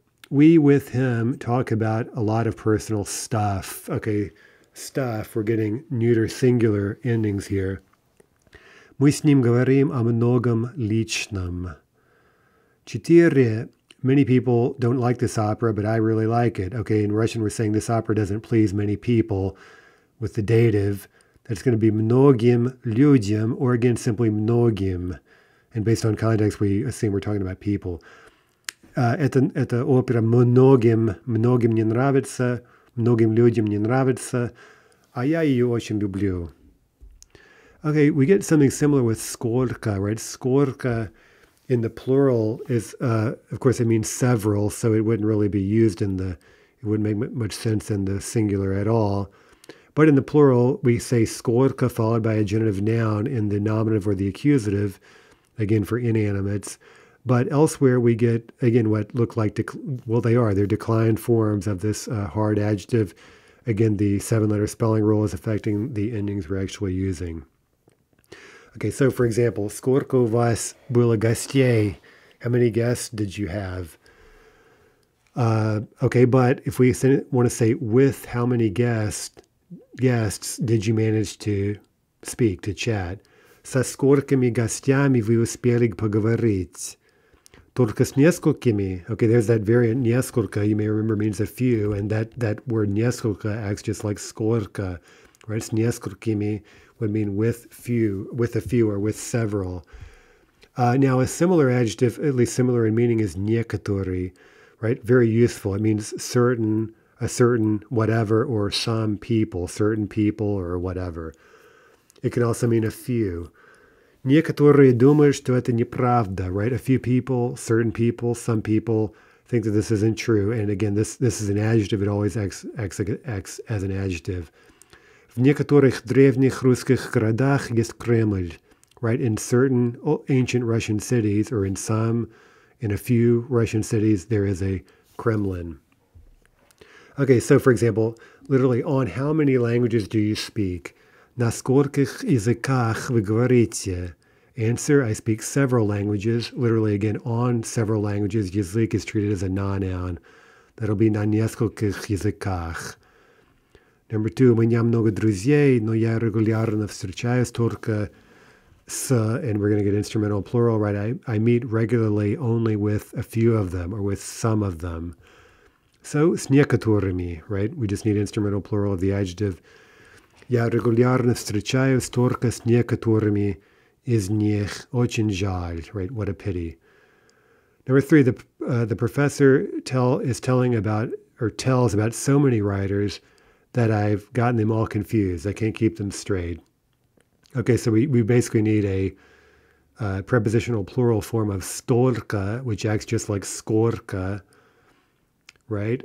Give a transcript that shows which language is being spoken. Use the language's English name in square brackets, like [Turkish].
[English] We with him talk about a lot of personal stuff. Okay, stuff. We're getting neuter singular endings here. [Russian] Мы с ним говорим о многом личном. Четыре. [English] Many people don't like this opera, but I really like it. Okay, in Russian we're saying this opera doesn't please many people with the dative. That's going to be [Russian] многим людям, [English] or again simply многим. And based on context, we assume we're talking about people. [Russian] Эта опера многим не нравится, многим людям не нравится, а я ее очень люблю. [English] Okay, we get something similar with сколько, right? Сколько in the plural is, of course, it means several, so it wouldn't really be used in the, it wouldn't make much sense in the singular at all. But in the plural, we say сколько followed by a genitive noun in the nominative or the accusative, again, for inanimates. But elsewhere, we get, again, what look like, they're declined forms of this hard adjective. Again, the seven-letter spelling rule is affecting the endings we're actually using. Okay, so for example, [Russian] сколько у вас было гостей? [English] How many guests did you have? Okay, but if we want to say with how many guests did you manage to speak, to chat? [Russian] Со сколькими гостями вы успели поговорить? Только с несколькими. [English] Okay, there's that variant, несколько, you may remember, means a few, and that word несколько acts just like сколько, right? It's несколькими would mean with a few or with several. Now, a similar adjective, at least similar in meaning, is некоторые, right? Very useful. It means a certain whatever or some people, certain people or whatever. It can also mean a few. [Russian] Некоторые думают, что это неправда, [English] right? A few people, certain people, some people think that this isn't true. And again, this is an adjective. It always acts as an adjective. [Russian] В некоторых древних русских городах есть Кремль, right? [English] In certain ancient Russian cities, or in a few Russian cities, there is a Kremlin. Okay, so for example, literally, on how many languages do you speak? [Russian] На скольких языках вы говорите? [English] Answer, I speak several languages. Literally, again, on several languages, язык is treated as a non-noun. That'll be [Russian] на нескольких языках. [English] Number two, [Russian] у меня много друзей, но я регулярно встречаюсь только с, [English] and we're going to get instrumental plural, right? I meet regularly only with a few of them, or with some of them. So, [Russian] с некоторыми, [English] right? We just need instrumental plural of the adjective. [Russian] Я регулярно встречаюсь только с некоторыми из них. Очень жаль, [English] right? What a pity. Number three, the professor tells about so many writers that I've gotten them all confused. I can't keep them straight. Okay, so we basically need a prepositional plural form of storka, which acts just like skorka, right?